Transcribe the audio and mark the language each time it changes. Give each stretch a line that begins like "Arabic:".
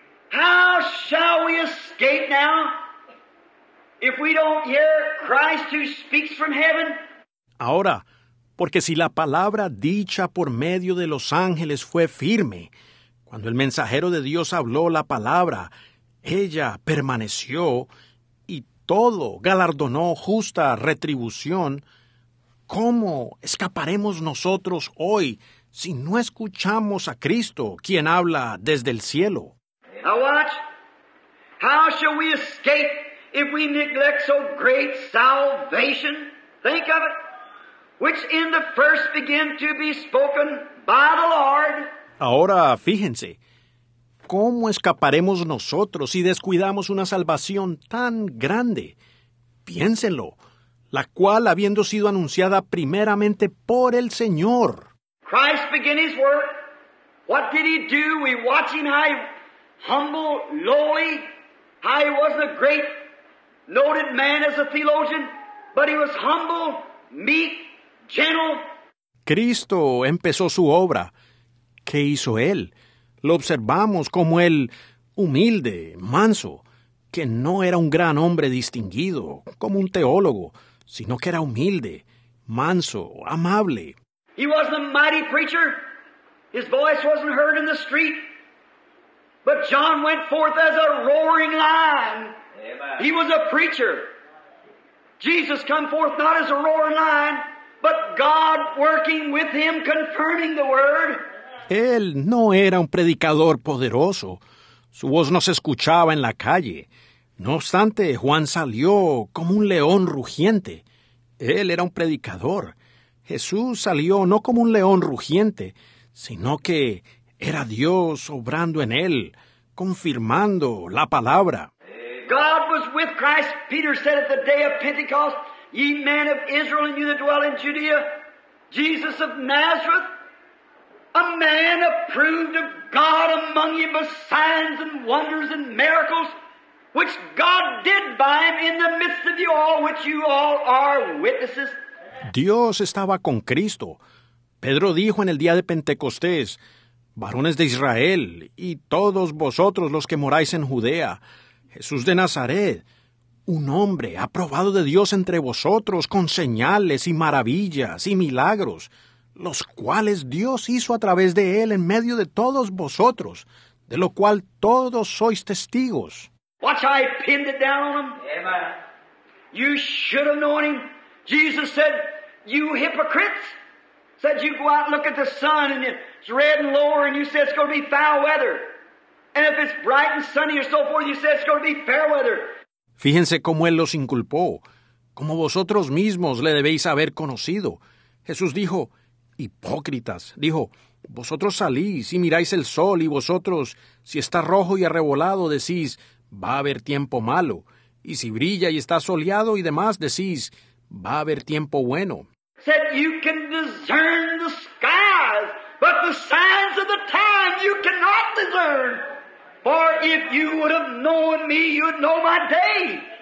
English: How shall we escape now if we don't hear Christ who speaks from heaven?
Spanish: Ahora, porque si la palabra dicha por medio de los ángeles fue firme, Cuando el mensajero de Dios habló la palabra, ella permaneció y todo galardonó justa retribución. ¿Cómo escaparemos nosotros hoy si no escuchamos a Cristo, quien habla desde el cielo?
English: Now watch. How shall we escape if we neglect so great salvation? Think of it. Which in the first began to be spoken by the Lord.
Spanish: Ahora, fíjense, ¿cómo escaparemos nosotros si descuidamos una salvación tan grande? Piénsenlo, la cual habiendo sido anunciada primeramente por el Señor.
English: Christ began his work. What did he do? We watch him, how he humble, lowly. How he was a great, noted man as a theologian, but he was humble, meek, gentle.
Spanish: Cristo empezó su obra. ¿Qué hizo él? Lo observamos como el humilde, manso, que no era un gran hombre distinguido, como un teólogo, sino que era humilde, manso, amable.
English: He wasn't a mighty preacher. His voice wasn't heard in the street. But John went forth as a roaring lion. Amen. He was a preacher. Jesus come forth not as a roaring lion, but God working with him, confirming the word.
Spanish: Él no era un predicador poderoso. Su voz no se escuchaba en la calle. No obstante, Juan salió como un león rugiente. Él era un predicador. Jesús salió no como un león rugiente, sino que era Dios obrando en él, confirmando la palabra.
English: God was with Christ, Peter said at the day of Pentecost, ye men of Israel and you that dwell in Judea, Jesus of Nazareth, a man approved of God among you by signs and wonders and miracles, which God did by him in the midst of you all, which you all are witnesses.
Spanish: Dios estaba con Cristo. Pedro dijo en el día de Pentecostés, varones de Israel, y todos vosotros los que moráis en Judea, Jesús de Nazaret, un hombre aprobado de Dios entre vosotros con señales y maravillas y milagros, los cuales Dios hizo a través de él en medio de todos vosotros, de lo cual todos sois testigos.
English: Watch, I pinned it down on him. Amen. You should have known him. Jesus said, you hypocrites. Said you go out and look at the sun and it's red and lower and you say it's going to be foul weather. And if it's bright and sunny or so forth, you say it's going to be fair weather.
Spanish: Fíjense cómo él los inculpó. Como vosotros mismos le debéis haber conocido. Jesús dijo, hipócritas. Dijo, vosotros salís y miráis el sol y vosotros, si está rojo y arrebolado, decís, va a haber tiempo malo. Y si brilla y está soleado y demás, decís, va a haber tiempo bueno.
English: Said you can discern the skies, but the signs of the time you cannot discern. For if you would have known me, you'd know my day.